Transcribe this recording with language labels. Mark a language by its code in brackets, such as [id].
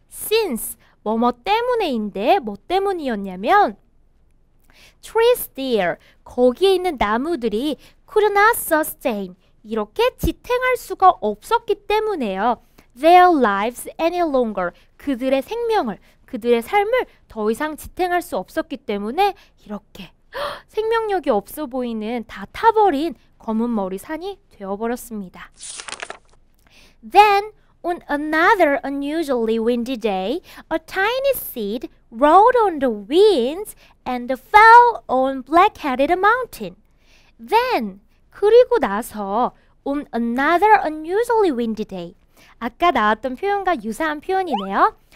[ko] Since, 뭐뭐 때문에인데 뭐 때문이었냐면 [en] trees there, [ko] 거기에 있는 나무들이 [en] could not sustain, [ko] 이렇게 지탱할 수가 없었기 때문에요. [en] their lives any longer. [ko] 그들의 생명을, 그들의 삶을 더 이상 지탱할 수 없었기 때문에 이렇게 생명력이 없어 보이는 다 타버린 검은 머리 산이 되어버렸습니다. [en] Then, on another unusually windy day, a tiny seed rolled on the winds and fell on black-headed mountain. Then, [ko] 그리고 나서, [en] on another unusually windy day. [ko] 아까 나왔던 표현과 유사한 표현이네요.